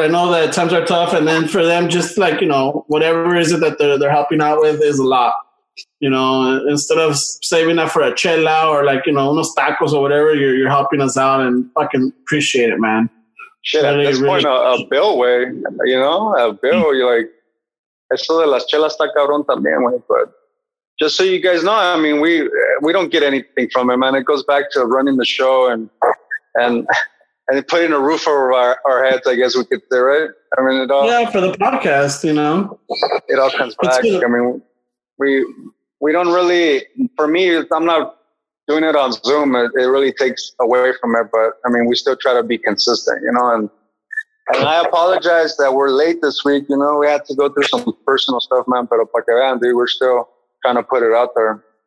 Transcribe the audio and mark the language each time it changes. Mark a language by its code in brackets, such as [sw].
[en] I know that times are tough, and then for them, just like, you know, whatever is it that they're helping out with is a lot. You know, instead of saving up for a chela or like, you know, [es] unos tacos [en] or whatever, you're helping us out, and fucking appreciate it, man. Shit, really, at this really point, a bill, way, you know, a bill, mm-hmm. You're like, [es] eso de las chelas está cabrón también, way. [en] But just so you guys know, I mean, we don't get anything from it, man. It goes back to running the show and putting a roof over our heads, I guess we could do, right? I mean, it all. Yeah, for the podcast, you know. It all comes back. I mean, we don't really, for me, I'm not doing it on Zoom, it really takes away from it, but I mean, we still try to be consistent, you know, and I apologize that we're late this week, you know, we had to go through some personal stuff, man, [es] pero para que vean, [en] dude, we're still trying to put it out there.